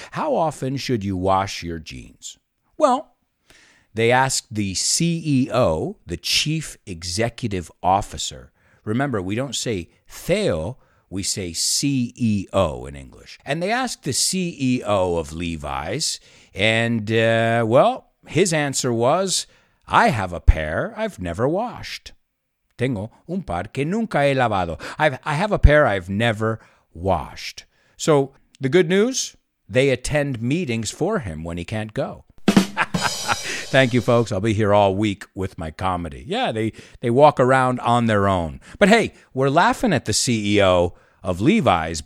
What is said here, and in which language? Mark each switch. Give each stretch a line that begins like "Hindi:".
English: How often should you wash your jeans? Well, they asked the CEO, the chief executive officer, Remember, we don't say Theo, we say CEO in English. And they asked the CEO of Levi's, and his answer was, I have a pair I've never washed.
Spanish: Tengo un par que nunca he lavado.
English: I have a pair I've never washed. So the good news, they attend meetings for him when he can't go. Thank you, folks. I'll be here all week with my comedy. Yeah, they walk around on their own. But hey, we're laughing at the CEO of Levi's.